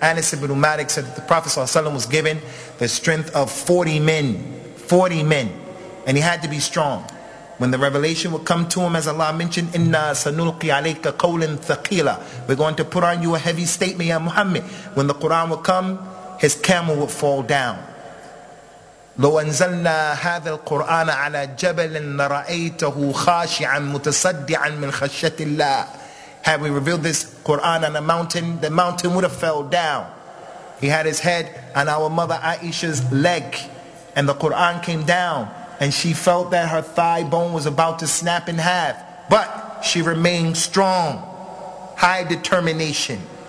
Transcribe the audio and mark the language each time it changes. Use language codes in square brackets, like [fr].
[en] Anas ibn Malik said that the Prophet ﷺ was given the strength of 40 men. 40 men. And he had to be strong. When the revelation would come to him, as Allah mentioned, Inna sanulqi alayka qawlan thaqila. We're going to put on you a heavy statement, ya Muhammad. When the Quran would come, his camel would fall down. [ar] لو أنزلنا هذا القرآن على جبل لرأيته خاشعا متصدعا من خشية الله. [en] Had we revealed this Quran on a mountain, the mountain would have fell down. He had his head on our mother Aisha's leg, and the Quran came down, and she felt that her thigh bone was about to snap in half, but she remained strong, high determination.